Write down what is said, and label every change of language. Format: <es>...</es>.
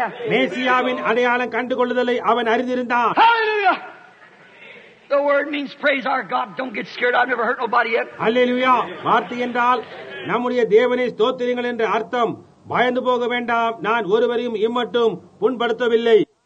<ta>மேசியாவின் அடையாளம் கண்டுகொள்ளுதலை அவன் அறிந்திருந்தான்.</ta> <en>Hallelujah! The word means praise our God. Don't get scared. I've never hurt nobody yet. Hallelujah!</en> <ta>வார்த்தை என்றால் நம்முடைய தேவனை ஸ்தோத்திரங்கள் என்று அர்த்தம். பயந்து போக வேண்டாம், நான் ஒருவரையும் இம்மட்டும் புண்படுத்தவில்லை.</ta>